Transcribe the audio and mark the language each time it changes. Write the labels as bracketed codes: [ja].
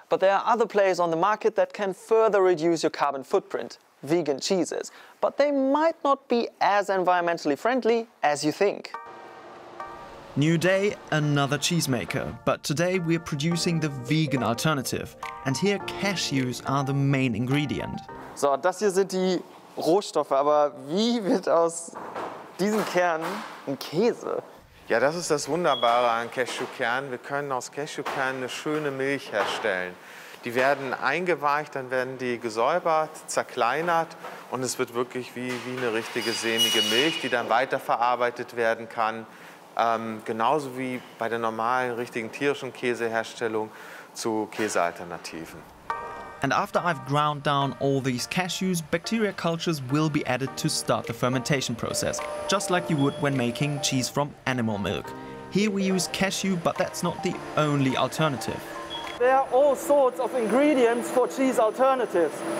[en] But there are other players on the market that can further reduce your carbon footprint, vegan cheeses. But they might not be as environmentally friendly as you think. New day, another cheesemaker. But today we're producing the vegan alternative. And here cashews are the main ingredient. [de] So, das hier sind die Rohstoffe, aber wie wird aus diesen Kernen ein Käse? Ja, das ist das Wunderbare an Cashewkernen. Wir können aus Cashewkernen eine schöne Milch herstellen. Die werden eingeweicht, dann werden die gesäubert, zerkleinert und es wird wirklich wie eine richtige sämige Milch, die dann weiterverarbeitet werden kann. Genauso wie bei der normalen, richtigen tierischen Käseherstellung zu Käsealternativen. [en] And after I've ground down all these cashews, bacteria cultures will be added to start the fermentation process, just like you would when making cheese from animal milk. Here we use cashew, but that's not the only alternative. There are all sorts of ingredients for cheese alternatives.